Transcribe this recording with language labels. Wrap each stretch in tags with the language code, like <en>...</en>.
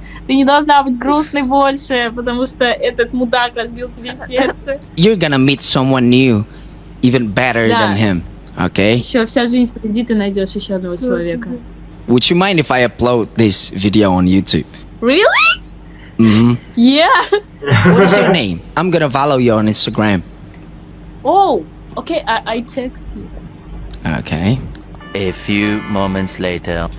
<ru>Ты не должна быть грустной больше, потому что этот мудак разбил тебе сердце.</ru> <en>You're gonna meet someone new, even better than him. Okay.</en> <ru>Еще вся жизнь впереди, ты найдешь еще одного человека.</ru> <en>Would you mind if I upload this video on YouTube? Really? Mm-hmm. Yeah. What is your name? I'm gonna follow you on Instagram. Oh. Okay, I text you. Okay. A few moments later.</en>